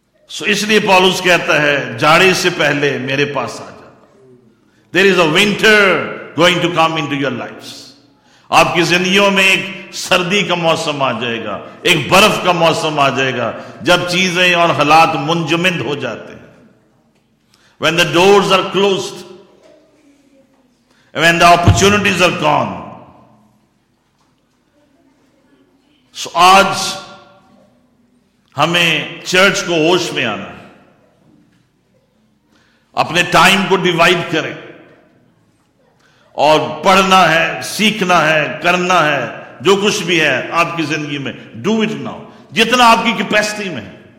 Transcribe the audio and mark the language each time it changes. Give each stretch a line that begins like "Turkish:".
Urdu: سو اس لیے پالوس کہتا ہے جاڑے سے پہلے میرے پاس آ جا.
English: There is a winter going to come in to your life.
Urdu: آپ کی زندگیوں میں ایک سردی کا موسم آ جائے گا, ایک برف کا موسم آ جائے گا, جب چیزیں اور حالات منجمد ہو جاتے ہیں.
English: When the doors are closed, when the opportunities are gone.
Urdu: So آج ہمیں چرچ کو ہوش میں آنا, اپنے ٹائم کو ڈیوائڈ کریں اور پڑھنا ہے, سیکھنا ہے, کرنا ہے, جو کچھ بھی ہے آپ کی زندگی میں,
English: do it now,
Urdu: جتنا آپ کی کیپیسٹی میں ہے.